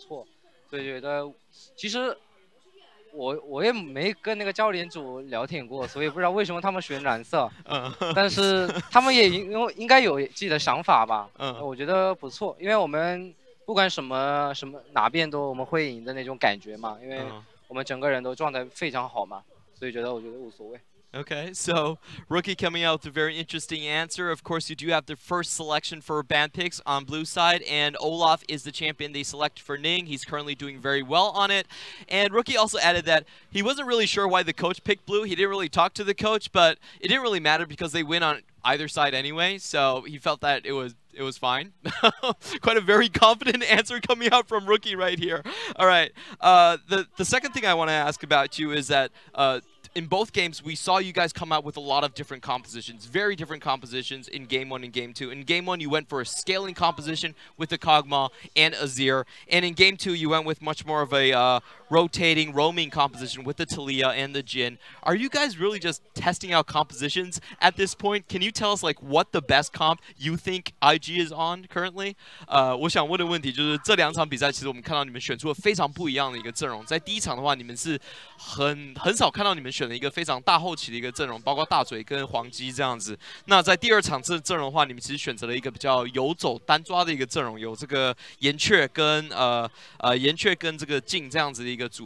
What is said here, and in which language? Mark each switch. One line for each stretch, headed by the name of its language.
Chinese: 可能我们打野就是，如果蓝色方的最右选的是就第一场能拿直第一个英雄嘛，所以我们就是准备什么阿拉夫这个英雄，所以首先拿这个英雄，因为这个版本还是他挺强的一些英雄，而且我们打野你玩的特别多，而且特别不错，所以觉得其实 我也没跟那个教练组聊天过，所以不知道为什么他们选蓝色。但是他们也应该有自己的想法吧。我觉得不错，因为我们不管什么哪边都我们会赢的那种感觉嘛，因为我们整个人都状态非常好嘛，所以觉得无所谓。
English: Okay, so Rookie coming out with a very interesting answer. Of course, you do have the first selection for ban picks on blue side, and Olaf is the champion they select for Ning. He's currently doing very well on it. And Rookie also added that he wasn't really sure why the coach picked blue. He didn't really talk to the coach, but it didn't really matter because they win on either side anyway, so he felt that it was fine. Quite a very confident answer coming out from Rookie right here. All right, the second thing I want to ask about you is that in both games, we saw you guys come out with a lot of different compositions, very different compositions in Game 1 and Game 2. In Game 1, you went for a scaling composition with the Kog'Maw and Azir. And in Game 2, you went with much more of a rotating, roaming composition with the Taliyah and the Jhin. Are you guys really just testing out compositions at this point? Can you tell us like what the best comp you think IG is on currently?
Chinese: 我想问的问题就是这两场比赛，其实我们看到你们选出了非常不一样的一个阵容。在第一场的话，你们是很少看到你们选了一个非常大后期的一个阵容，包括大嘴跟黄鸡这样子。那在第二场阵容的话，你们其实选择了一个比较游走单抓的一个阵容，有这个岩雀跟这个镜这样子的一个